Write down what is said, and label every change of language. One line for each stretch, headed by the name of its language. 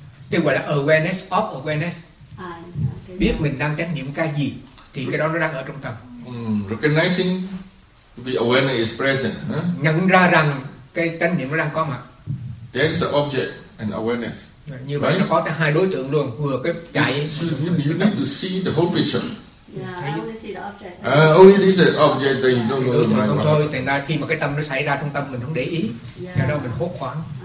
Vietnamese: Tức gọi là
English: awareness of awareness.
Vietnamese: Biết mình đang chánh niệm cái gì thì cái đó nó đang ở trong tâm.
English: Recognizing the awareness is present.
Vietnamese: Nhận ra rằng cái chánh niệm nó đang có mặt.
English: There is the object and awareness.
Vietnamese: Như vậy nó có tới hai đối tượng luôn, vừa cái chạy.
English: You need to see the whole picture. Yeah, I only see the object. Only this is object, then you don't know the mind.
Vietnamese: Thành ra khi mà cái tâm nó xảy ra trong tâm mình không để ý, cái đó mình hốt khoảng.